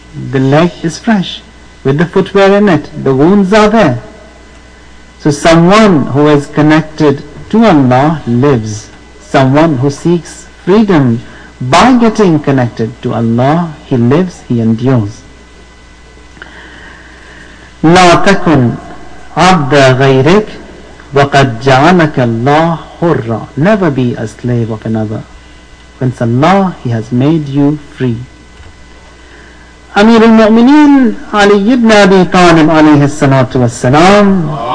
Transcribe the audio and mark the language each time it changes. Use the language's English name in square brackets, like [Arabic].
[English] The leg is fresh with the footwear in it. The wounds are there. So someone who is connected to Allah lives. Someone who seeks freedom by getting connected to Allah, he lives, he endures. [Arabic] لا تكن عبد غيرك وقد جعلك الله حرا. [English] Never be a slave of another. When Allah, he has made you free. Amir al-Mu'mineen Ali ibn Abi Talib alayhi salatu wa salam.